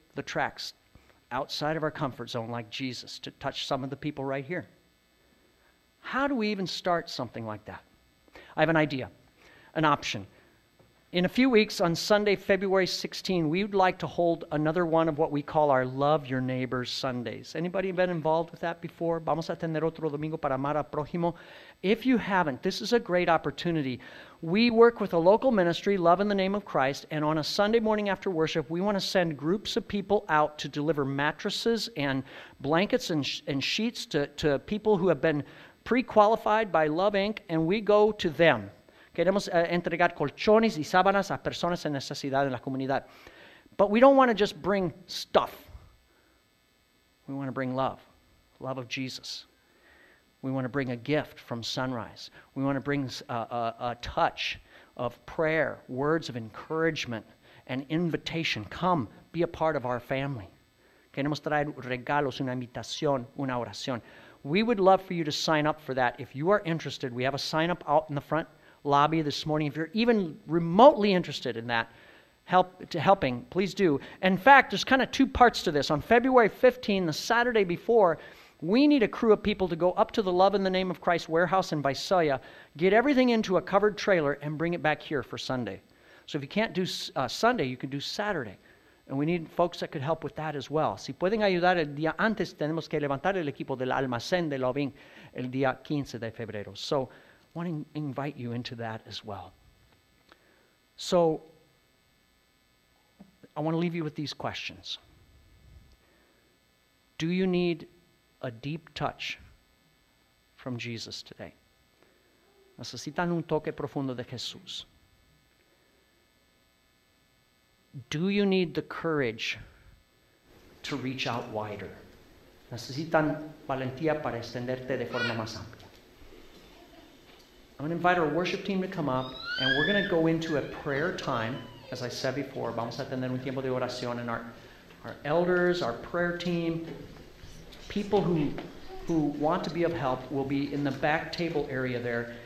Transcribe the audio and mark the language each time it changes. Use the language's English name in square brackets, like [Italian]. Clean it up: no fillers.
[English] the tracks outside of our comfort zone like Jesus to touch some of the people right here. How do we even start something like that? I have an idea, an option. In a few weeks, on Sunday, February 16, we would like to hold another one of what we call our Love Your Neighbor Sundays. Anybody been involved with that before? [Spanish] Vamos a tener otro domingo para amar al prójimo. [English] If you haven't, this is a great opportunity. We work with a local ministry, Love in the Name of Christ, and on a Sunday morning after worship, we want to send groups of people out to deliver mattresses and blankets and sheets to people who have been pre-qualified by Love Inc., and we go to them. [Spanish] Queremos entregar colchones y sábanas a personas en necesidad en la comunidad. [English] But we don't want to just bring stuff. We want to bring love, love of Jesus. We want to bring a gift from Sunrise. We want to bring a touch of prayer, words of encouragement, and invitation. Come, be a part of our family. [Spanish] Queremos traer regalos, una invitación, una oración. [English] We would love for you to sign up for that. If you are interested, we have a sign up out in the front lobby this morning. If you're even remotely interested in that, helping, please do. In fact, there's kind of two parts to this. On February 15, the Saturday before, we need a crew of people to go up to the Love in the Name of Christ warehouse in Visalia, get everything into a covered trailer, and bring it back here for Sunday. So if you can't do Sunday, you can do Saturday. And we need folks that could help with that as well. [Spanish] Si pueden ayudar el día antes, tenemos que levantar el equipo del almacén de Loving el día 15 de febrero. [English] So I want to invite you into that as well. So I want to leave you with these questions. Do you need a deep touch from Jesus today? [Spanish] ¿Necesitan un toque profundo de Jesús? [English] Do you need the courage to reach out wider? [Spanish] ¿Necesitan valentía para extenderte de forma más amplia? [English] I'm going to invite our worship team to come up, and we're going to go into a prayer time, as I said before. [Spanish] Vamos a tener un tiempo de oración, [English] and our elders, our prayer team, people who want to be of help will be in the back table area there.